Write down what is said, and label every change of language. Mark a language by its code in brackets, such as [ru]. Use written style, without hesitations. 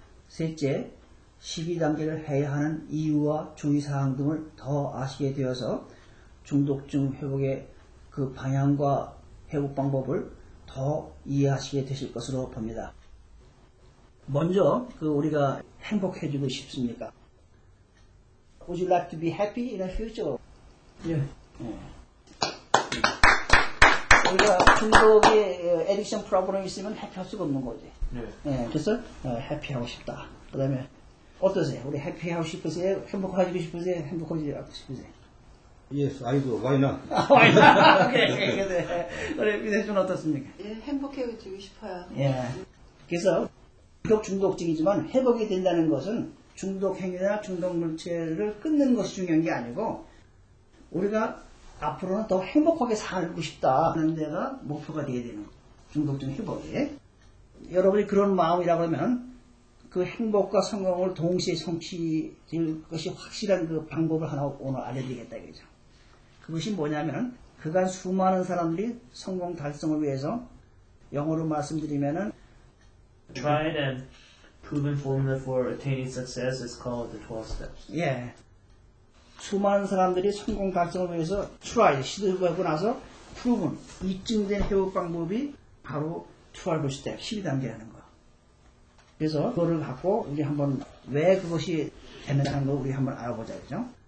[ko] 셋째, 12단계를 해야 하는 이유와 주의사항 등을 더 아시게 되어서 중독증 회복의 그 방향과 회복 방법을 더 이해하시게 되실 것으로 봅니다. 먼저 그 우리가 행복해지고 싶습니까? [en] Would you like to be happy in the future? [ko] 예. 예. 우리가 중독의 [en] addiction problem [ko] 이 있으면 happy 할 수가 없는 거지. 예. 예. 그래서 happy 하고 싶다. 그 다음에 어떠세요? 우리 happy 하고 싶으세요? 행복해지고 싶으세요? 행복해지고 싶으세요? [en] Yes, I do. Why not? Why not? Okay, okay. [ko] 우리 민혜준 어떻습니까? 예, 행복해지고 싶어요. 예. 그래서 결국 중독증이지만 회복이 된다는 것은 중독 행위나 중독 물체를 끊는 것이 중요한 게 아니고 우리가 앞으로는 더 행복하게 살고 싶다 하는 데가 목표가 되어야 되는 중독증 회복이. 여러분이 그런 마음이라 그러면 그 행복과 성공을 동시에 성취될 것이 확실한 그 방법을 하나 오늘 알려드리겠다 이거죠. 그것이 뭐냐면 그간 수많은 사람들이 성공 달성을 위해서 영어로 말씀드리면은 [en] tried and proven formula for attaining success is called the 12 steps. [ko] 예. 수많은 사람들이 성공 달성을 위해서 tried, 시도해보고 나서 proven, 입증된 회복 방법이 바로 12 step, 12단계라는 거. 그래서 그거를 갖고 이제 한번 왜 그것이 되느냐는 걸 우리 한번 알아보자, 그죠?